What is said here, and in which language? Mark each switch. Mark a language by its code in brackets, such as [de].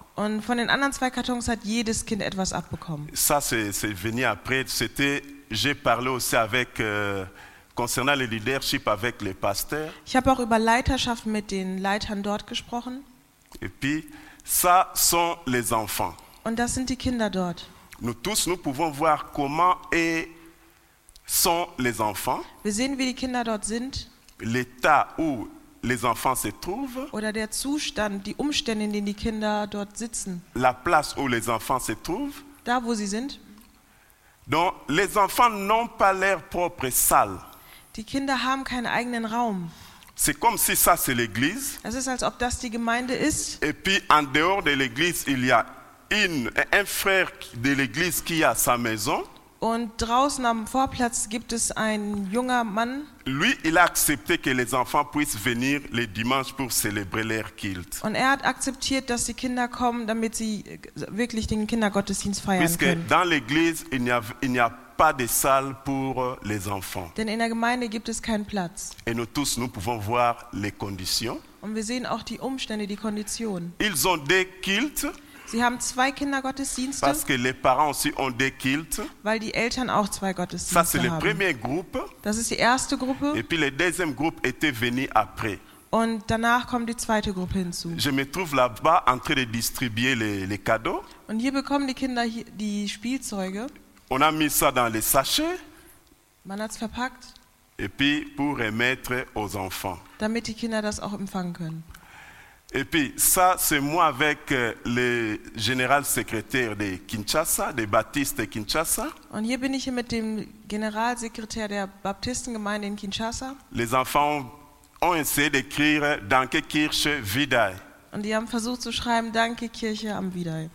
[de] Und von den anderen zwei Kartons hat jedes Kind etwas abbekommen. [fr] Ça, c'est venu après. J'ai parlé aussi avec... concernant le leadership avec les pasteurs. [de] Ich habe auch über Leiterschaft mit den Leitern dort gesprochen. [fr] Et puis, ça sont les enfants. [de] Und das sind die Kinder dort. [fr] Nous tous, nous pouvons voir comment sont les enfants. [de] Wir sehen, wie die Kinder dort sind. [fr] L'état où les enfants se trouvent. [de] Oder der Zustand, die Umstände, in denen die Kinder dort sitzen. [fr] La place où les enfants se trouvent. [de] Da, wo sie sind. [fr] Donc, les enfants n'ont pas leur propre salle. [de] Die Kinder haben keinen eigenen Raum. [fr] C'est comme si ça, c'est l'église. [de] Es ist, als ob das die Gemeinde ist. [fr] Et puis, en dehors de l'église, il y a un frère de l'église qui a sa maison. [de] Und draußen am Vorplatz gibt es einen jungen Mann. [fr] Lui, il a accepté que les enfants puissent venir le dimanche pour célébrer leur culte. [de] Und er hat akzeptiert, dass die Kinder kommen, damit sie wirklich den Kindergottesdienst feiern [fr] Puisque [de] können. [fr] Puisque dans l'église, il n'y a pas de salle pour les enfants. [de] Denn in der Gemeinde gibt es keinen Platz. [fr] Et nous tous, nous pouvons voir les conditions. [de] Und wir sehen auch die Umstände, die Konditionen. [fr] Ils ont des cultes. [de] Sie haben zwei Kindergottesdienste. [fr] Parce que les parents aussi ont des cultes. [de] Weil die Eltern auch zwei Gottesdienste haben. [fr] Ça, c'est le premier groupe. [de] Das ist die erste Gruppe. [fr] Et puis le deuxième groupe était venu après. [de] Und danach kommt die zweite Gruppe hinzu. [fr] Je me trouve là-bas en train de distribuer les cadeaux. [de] Und hier bekommen die Kinder die Spielzeuge. [fr] On a mis ça dans les sachets. [de] Man hat's verpackt. [fr] Et puis pour remettre aux enfants. [de] Damit die Kinder das auch empfangen können. [fr] Et puis ça, c'est moi avec le général secrétaire de Kinshasa, de Baptiste Kinshasa. [de] Und hier bin ich mit dem Generalsekretär der Baptistengemeinde in Kinshasa. [fr] Les enfants ont essayé d'écrire [de] Danke Kirche Wiedai. Und die haben versucht zu schreiben, danke Kirche am Wiedai.